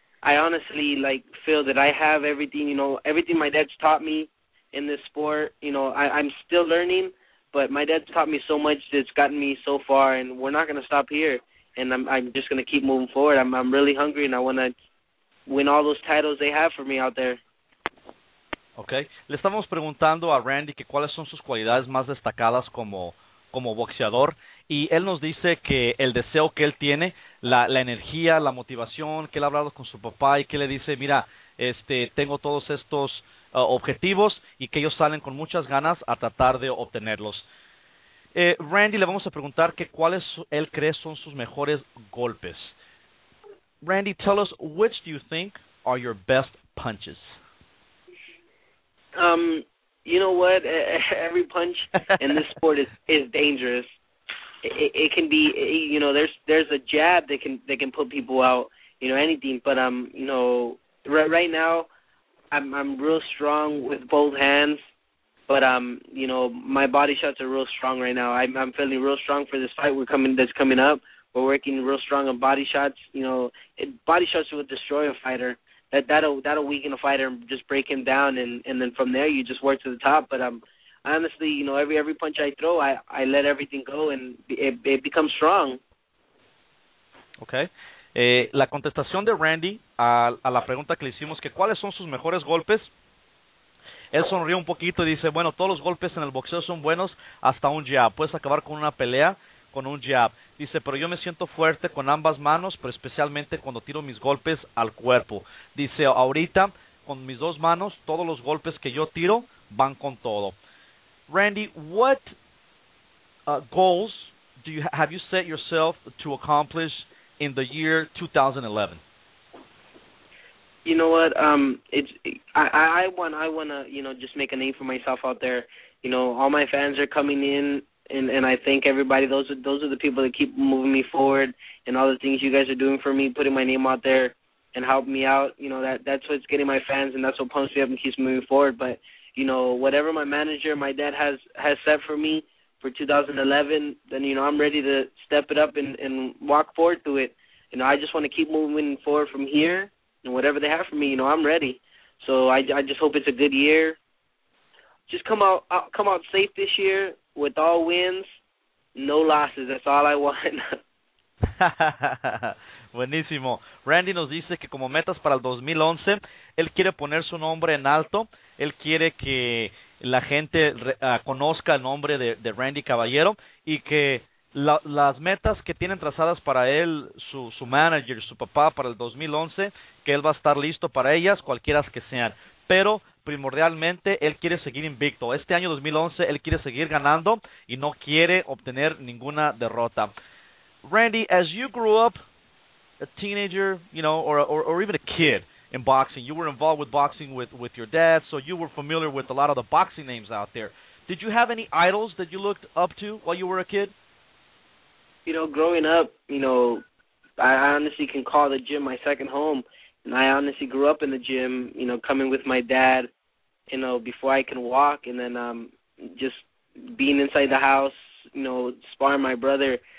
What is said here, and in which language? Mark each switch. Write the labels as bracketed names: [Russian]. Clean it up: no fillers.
[English] I honestly like feel that I have everything. You know, everything my dad's taught me in this sport. You know, I'm still learning, but my dad's taught me so much that's gotten me so far, and we're not going to stop here, and I'm just going to keep moving forward. I'm really hungry, and I want to win all those titles they have for me out there. Okay. [Spanish] Le estamos preguntando a Randy que cuáles son sus cualidades más destacadas como boxeador, y él nos dice que el deseo que él tiene, la energía, la motivación, que él ha hablado con su papá y que le dice, mira, tengo todos estos objetivos, y que ellos salen con muchas ganas a tratar de obtenerlos. Randy, le vamos a preguntar que cuáles él cree son sus mejores golpes. [English] Randy, tell us, which do you think are your best punches? You know what? Every punch in this sport is dangerous. It can be, you know, there's a jab that can put people out, you know, anything. But, you know, right now, I'm real strong with both hands, but you know, my body shots are real strong right now. I'm feeling real strong for this fight that's coming up. We're working real strong on body shots. You know, body shots will destroy a fighter. That'll weaken a fighter and just break him down, and then from there you just work to the top. But honestly, you know, every punch I throw, I let everything go, and it becomes strong. Okay. [Spanish] La contestación de Randy a la pregunta que le hicimos, que cuáles son sus mejores golpes, él sonrió un poquito y dice, bueno, todos los golpes en el boxeo son buenos, hasta un jab. Puedes acabar con una pelea con un jab. Dice, pero yo me siento fuerte con ambas manos, pero especialmente cuando tiro mis golpes al cuerpo. Dice, ahorita, con mis dos manos, todos los golpes que yo tiro van con todo. [English] Randy, what goals have you set yourself to accomplish in the year 2011? You know what? I want to, you know, just make a name for myself out there. You know, all my fans are coming in, and I thank everybody. Those are the people that keep moving me forward, and all the things you guys are doing for me, putting my name out there and helping me out. You know, that's what's getting my fans, and that's what pumps me up and keeps moving forward. But, you know, whatever my manager, my dad has set for me for 2011, then, you know, I'm ready to step it up and walk forward to it. You know, I just want to keep moving forward from here, and whatever they have for me, you know, I'm ready. So I just hope it's a good year. Just come out safe this year with all wins, no losses. That's all I want. [Spanish] Buenísimo. Randy nos dice que como metas para el 2011, él quiere poner su nombre en alto. Él quiere que la gente conozca el nombre de Randy Caballero, y que las metas que tienen trazadas para él, su manager, su papá, para el 2011, que él va a estar listo para ellas, cualquiera que sean. Pero primordialmente él quiere seguir invicto. Este año 2011 él quiere seguir ganando y no quiere obtener ninguna derrota. [English] Randy, as you grew up a teenager, you know, or even a kid in boxing, you were involved with boxing with your dad, so you were familiar with a lot of the boxing names out there. Did you have any idols that you looked up to while you were a kid? You know, growing up, you know, I honestly can call the gym my second home, and I honestly grew up in the gym, you know, coming with my dad, you know, before I can walk, and then just being inside the house, you know, sparring my brother.